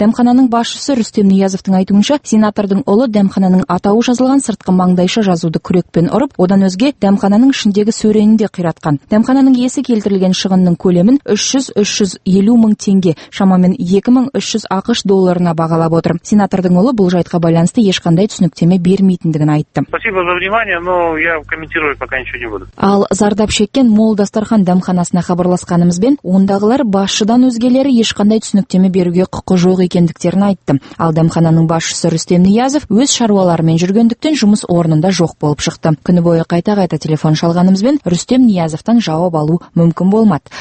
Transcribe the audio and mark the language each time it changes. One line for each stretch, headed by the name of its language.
Kazakh: Дәмхананың басшысы Рүстем Ниязовтың айтуынша, сенатордың ұлы дәмхананың атауы жазылған сыртқы маңдайша жазуды күрекпен ұрып, одан өзге дәмхананың ішіндегі сөрені де қиратқан. Дәмхананың иесі келтірілген шығынның көлемін 300-350 мың теңге, шамамен 2300 ақш долларына бағалап отыр. Сенатордың ұлы бұл жайтқа байланысты ешқандай түсініктеме бермейтіндігін айтты.
Russian: Спасибо за внимание, но я комментировать пока ничего не буду.
Kazakh: Ал зардап шеккен Мол дастархан дәмханасына хабарласқанымызбен, ондағылар басшыдан өзгелері ешқандай түсініктеме беруге құқы жоқ екендіктерін айтты. Ал дәмхананың басшысы Рүстем Ниязов өз шаруаларымен жүргендіктен жұмыс орнында жоқ болып шықты. Күні бойы қайта-қайта телефон шалғанымызбен Рүстем Ниязовтан жауап алу мүмкін болмады.